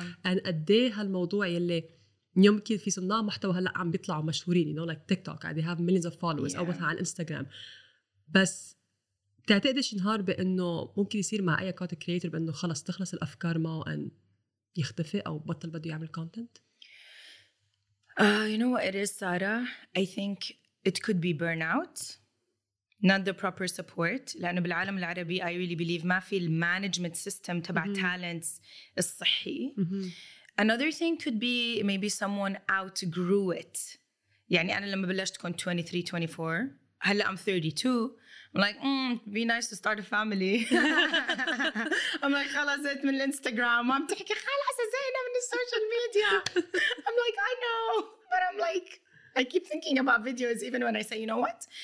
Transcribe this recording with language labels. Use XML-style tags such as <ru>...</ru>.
<ar>And قديه هالموضوع يلي يمكن في صناع محتوى هلا عم بيطلعوا مشهورين,</ar> <en>you know, like TikTok, they have millions of followers,</en> <ar>او مثلا على انستغرام, بس تعتقدش نهار بأنه ممكن يصير مع أي كونتنت كرييتر بأنه خلص تخلص الأفكار معه أن يختفي أو بطل بده يعمل كونتنت؟</ar> <en>You know what it is, Sarah? I think it could be burnout. Not the proper support.</en> <ar>لأنه بالعالم العربي</ar> <en>I really believe</en> <ar>ما في المانجمنت سيستم تبع تالنتس الصحي.</ar> <en>Another thing could be maybe someone outgrew it.</en> <ar>يعني أنا لما بلشت كنت 23, 24. هلا</ar> <en>I'm 32. I'm like, be nice to start a family. I'm like,</en> <ar>خلصت من الانستغرام. عم تحكي خلاص زينة من السوشيال ميديا.</ar> <en>I'm like, I know. But I'm like, I keep thinking about videos even when I say, you know what?</en>